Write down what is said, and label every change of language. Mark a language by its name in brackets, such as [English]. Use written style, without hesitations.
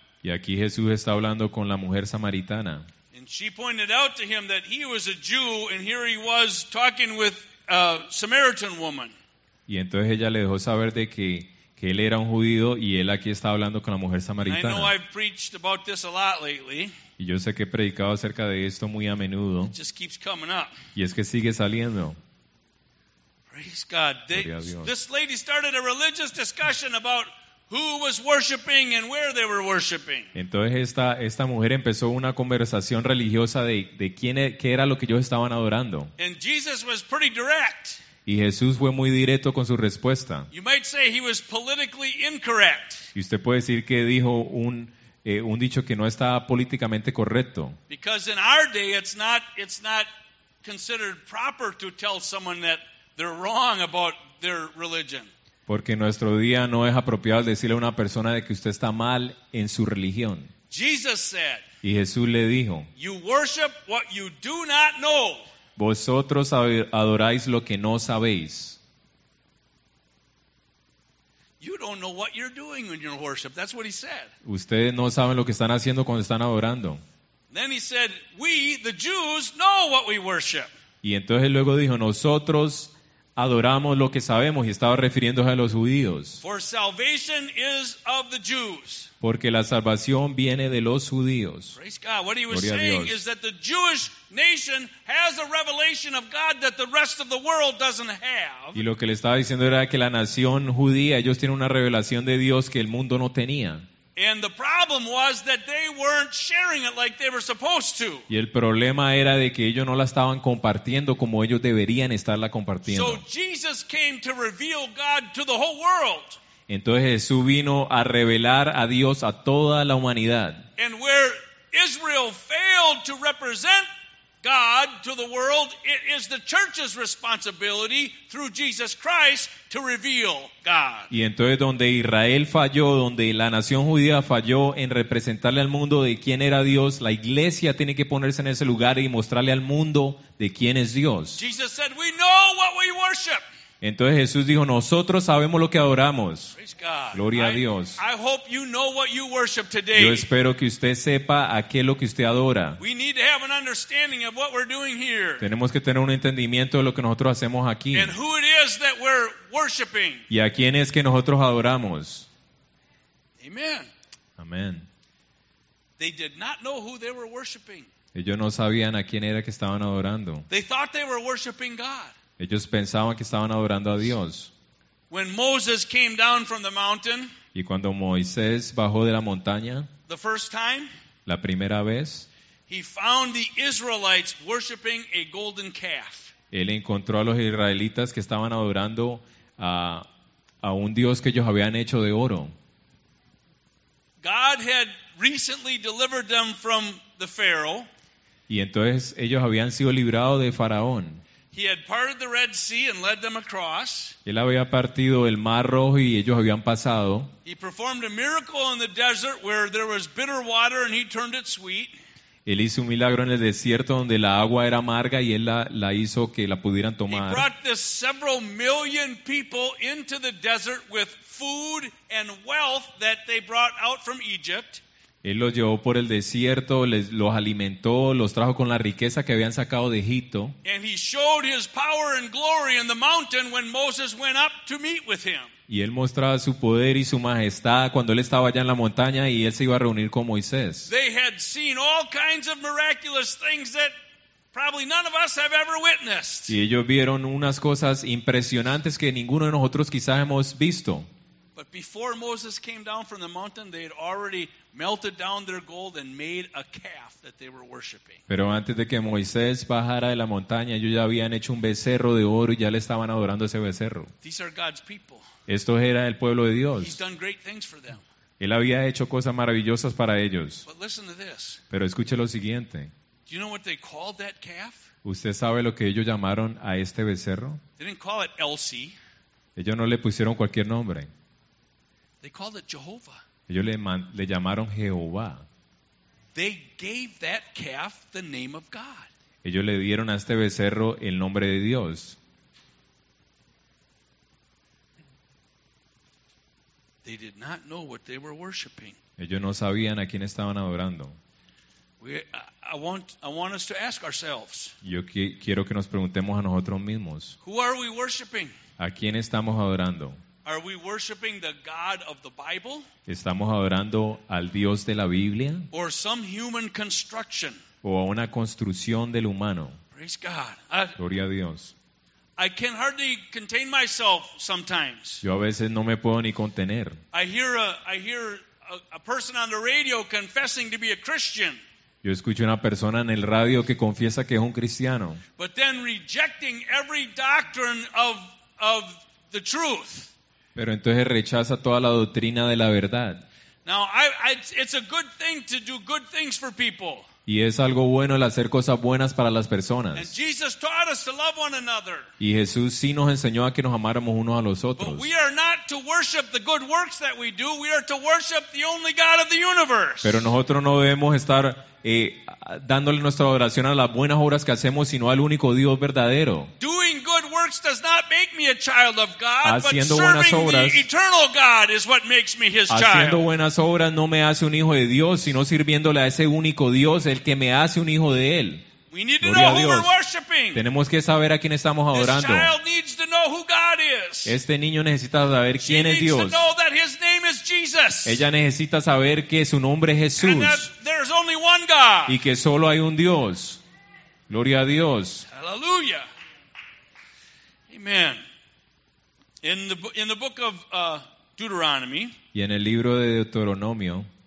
[Spanish] Y aquí Jesús está hablando con la mujer samaritana. [English] And she pointed out to him that he was a Jew, and here he was talking with a Samaritan woman. [Spanish] Y entonces ella le dejó saber de que él era un judío y él aquí está hablando con la mujer samaritana. [English] I know I've preached about this a lot lately. [Spanish] Y yo sé que he predicado acerca de esto muy a menudo. [English] It just keeps coming up. [Spanish] Y es que sigue saliendo. [English] Praise God. This lady started a religious discussion about who was worshiping and where they were worshiping. [Spanish] Entonces esta mujer empezó una conversación religiosa de quién era, qué era lo que ellos estaban adorando. [English] And Jesus was pretty direct. [Spanish] Y Jesús fue muy directo con su respuesta. [English] You might say he was politically incorrect. [Spanish] Y usted puede decir que dijo un dicho que no estaba políticamente correcto. [English] Because in our day it's not considered proper to tell someone that they're wrong about their religion. [Spanish] Porque nuestro día no es apropiado decirle a una persona de que usted está mal en su religión. [English] Jesus said, [Spanish] y Jesús le dijo, [English] you worship what you do not know. [Spanish] Vosotros adoráis lo que no sabéis. [English] You don't know what you're doing in your worship. That's what he said. [Spanish] Ustedes no saben lo que están haciendo cuando están adorando. [English] Then he said, we, the Jews, know what we worship. [Spanish] Y entonces luego dijo, nosotros adoramos lo que sabemos, y estaba refiriéndose a los judíos. [English] For salvation is of the Jews. [Spanish] Porque la salvación viene de los judíos. [English] Praise God. What he was saying is that the Jewish nation has a revelation of God that the rest of the world doesn't have. [Spanish] Y lo que le estaba diciendo era que la nación judía, ellos tienen una revelación de Dios que el mundo no tenía. [English] And the problem was that they weren't sharing it like they were supposed to. [Spanish] Y el problema era de que ellos no la estaban compartiendo como ellos deberían estarla compartiendo. [English] So Jesus came to reveal God to the whole world. [Spanish] Entonces Jesús vino a revelar a Dios a toda la humanidad. [English] And where Israel failed to represent God to the world, it is the church's responsibility through Jesus Christ to reveal God. [Spanish] Y entonces donde Israel falló, donde la nación judía falló en representarle al mundo de quién era Dios, la iglesia tiene que ponerse en ese lugar y mostrarle al mundo de quién es Dios. [English] Jesus said, "We know what we worship." [Spanish] Entonces Jesús dijo, nosotros sabemos lo que adoramos. [English] Praise God. [Spanish] Gloria a Dios. [English] I hope you know what you worship today. [Spanish] Yo espero que usted sepa a qué es lo que usted adora. [English] We need to have an understanding of what we're doing here. [Spanish] Tenemos que tener un entendimiento de lo que nosotros hacemos aquí. [English] And who it is that we're worshiping. [Spanish] Y a quién es que nosotros adoramos. [English] Amen. [Spanish] Amen. [English] They did not know who they were worshiping. [Spanish] Ellos no sabían a quién era que estaban adorando. [English] They thought they were worshiping God. [Spanish] Ellos pensaban que estaban adorando a Dios. [English] When Moses came down from the mountain, [Spanish] y cuando Moisés bajó de la montaña, [English] the first time, [Spanish] la primera vez, [English] he found the Israelites worshiping a golden calf. [Spanish] Él encontró a los israelitas que estaban adorando a un dios que ellos habían hecho de oro. [English] God had recently delivered them from the Pharaoh. [Spanish] Y entonces ellos habían sido librados de Faraón. [English] He had parted the Red Sea and led them across. [Spanish] Él había partido el Mar Rojo y ellos habían pasado. [English] He performed a miracle in the desert where there was bitter water and he turned it sweet. [Spanish] Él hizo un milagro en el desierto donde la agua era amarga y él la hizo que la pudieran tomar. [English] He brought this several million people into the desert with food and wealth that they brought out from Egypt. [Spanish] Él los llevó por el desierto, los alimentó, los trajo con la riqueza que habían sacado de Egipto. [English] And he showed his power and glory in the mountain when Moses went up to meet with him. [Spanish] Y él mostraba su poder y su majestad cuando él estaba allá en la montaña y él se iba a reunir con Moisés. [English] They had seen all kinds of miraculous things that probably none of us have ever witnessed. [Spanish] Y ellos vieron unas cosas impresionantes que ninguno de nosotros quizás hemos visto. [English] But before Moses came down from the mountain, they had already melted down their gold and made a calf that they were worshiping. [Spanish] Pero antes de que Moisés bajara de la montaña, ellos ya habían hecho un becerro de oro y ya le estaban adorando ese becerro. [English] These are God's people. [Spanish] Esto era el pueblo de Dios. [English] He's done great things for them. [Spanish] Él había hecho cosas maravillosas para ellos. [English] But listen to this. [Spanish] Pero escuche lo siguiente. [English] Do you know what they called that calf? [Spanish] ¿Usted sabe lo que ellos llamaron a este becerro? [English] They didn't call it Elsie. [Spanish] Ellos no le pusieron cualquier nombre. [English] They called it Jehovah. [Spanish] Ellos le llamaron Jehová. [English] They gave that calf the name of God. [Spanish] Ellos le dieron a este becerro el nombre de Dios. [English] They did not know what they were worshiping. [Spanish] Ellos no sabían a quién estaban adorando. [English] I want us to ask ourselves. [Spanish] Yo quiero que nos preguntemos a nosotros mismos. [English] Who are we worshiping? [Spanish] ¿A quién estamos adorando? [English] Are we worshiping the God of the Bible? [Spanish] ¿Estamos adorando al Dios de la Biblia? [English] Or some human construction? [Spanish] ¿O a una construcción del humano? [English] Praise God. [Spanish] Gloria a Dios. [English] I can hardly contain myself sometimes. [Spanish] Yo a veces no me puedo ni contener. [English] I hear a person on the radio confessing to be a Christian. [Spanish] Yo escucho una persona en el radio que confiesa que es un cristiano. [English] But then rejecting every doctrine of the truth. [Spanish] Pero entonces rechaza toda la doctrina de la verdad. [English] Now, it's a good thing to do good things for people. [Spanish] Y es algo bueno el hacer cosas buenas para las personas. [English] And Jesus taught us to love one another. [Spanish] Y Jesús sí nos enseñó a que nos amáramos unos a los otros. [English] But we are not to worship the good works that we do. We are to worship the only God of the universe. [Spanish] Pero nosotros no debemos estar dándole nuestra adoración a las buenas obras que hacemos, sino al único Dios verdadero. [English] Doing good works does not make me a child of God. [Spanish] Haciendo [English] but [Spanish] buenas obras, [English] serving the eternal God is what makes me His [Spanish] haciendo [English] child. [Spanish] Haciendo buenas obras no me hace un hijo de Dios, sino sirviéndole a ese único Dios, el que me hace un hijo de él. [English] We need to know who we're worshiping. [Spanish] Tenemos que saber a quién estamos adorando. [English] This child needs to know who God is. [Spanish] Este niño necesita saber quién [English] She [Spanish] es Dios. [English] Needs to know that his name is Jesus. [Spanish] Ella necesita saber que su nombre es Jesús. [English] And that there's only one God. [Spanish] Y que solo hay un Dios. Gloria a Dios. [English] Hallelujah. Amen. In the book of Deuteronomy. [Spanish] Y en el libro de Deuteronomio.